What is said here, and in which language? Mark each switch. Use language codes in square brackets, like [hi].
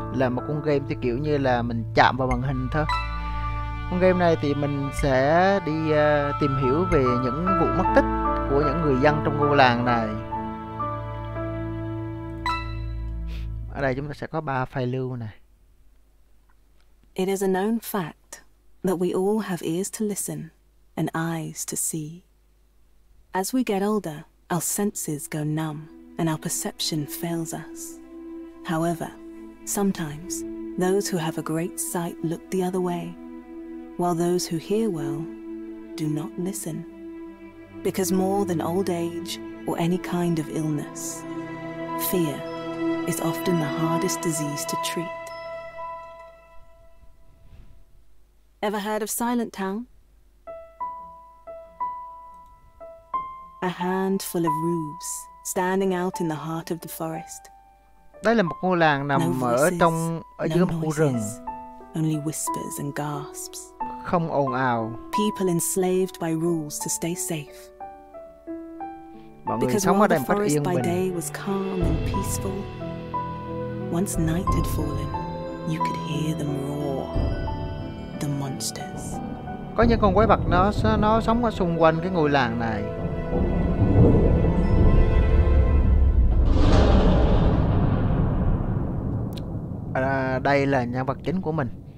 [vi] Là một con game thì kiểu như là mình chạm vào màn hình thôi. Con game này thì mình sẽ đi tìm hiểu về những vụ mất tích của những người dân trong ngôi làng này. Ở đây chúng ta sẽ có 3 file lưu này. [en] It is a known fact that we all have ears to listen and eyes to see. As we get older, our senses go numb and our perception fails us. However, sometimes those who have a great sight look the other way, while those who hear well do not listen. Because more than old age or any kind of illness, fear is often the hardest disease to treat. Ever heard of Silent Town? A handful of roofs standing out in the heart of the forest. [vi] Đây là một ngôi làng nằm ở giữa một khu rừng. [en] Only whispers and gasps. [vi] Không ồn ào. [en] People enslaved by rules to stay safe. [vi] Mọi người sống ở đây một cách yên bình. [en] Day was calm and peaceful. Once night had fallen, you could hear them roar. The monsters. [vi] Có những con quái vật nó sống ở xung quanh cái ngôi làng này. Đây là nhân vật chính của mình.